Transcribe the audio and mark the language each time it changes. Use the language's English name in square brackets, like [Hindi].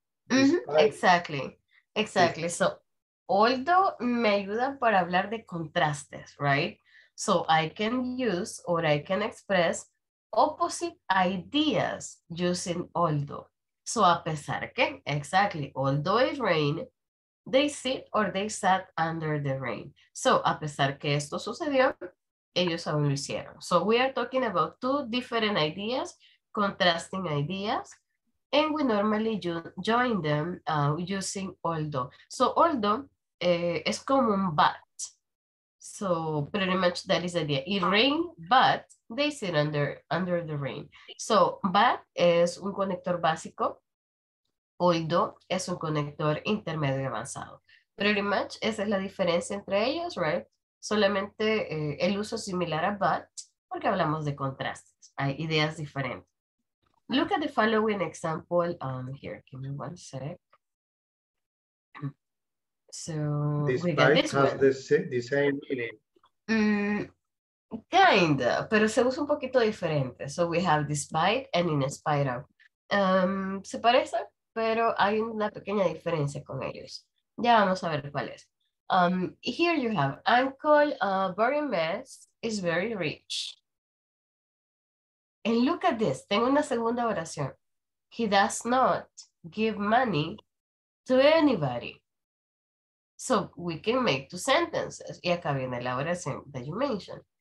[English] Mm-hmm. Exactly, exactly. So although [Spanish] me ayuda para hablar de contrastes, [English] right? So I can use or I can express opposite ideas using although. [Spanish] So a pesar que, [English] exactly. Although it rained, they sit or they sat under the rain. [Spanish] So a pesar que esto sucedió, ellos aún lo hicieron. [English] So we are talking about two different ideas, contrasting ideas. And we normally join them using although. So although [Spanish] es como un [English] but. So pretty much that is the idea. It rained, but they sit under the rain. [Spanish] So but es un conector básico. Although es un conector intermedio avanzado. [English] Pretty much [Spanish] esa es la diferencia entre ellos, right? Solamente el uso similar a but porque hablamos de contrastes. Hay ideas diferentes. [English] Look at the following example here. Give me one sec. So we got this one. Despite has the same meaning. Kinda, [Spanish] pero se usa un poquito diferente. [English] So we have despite and in spite of. [Spanish] Se parece, pero hay una pequeña diferencia con ellos. Ya vamos a ver cuál es. [English] Here you have Uncle Barry Mess is very rich. And look at this, [Spanish] tengo una segunda oración. [English] He does not give money to anybody. So we can make two sentences. [Spanish] Y acá viene la oración [English] that you mentioned.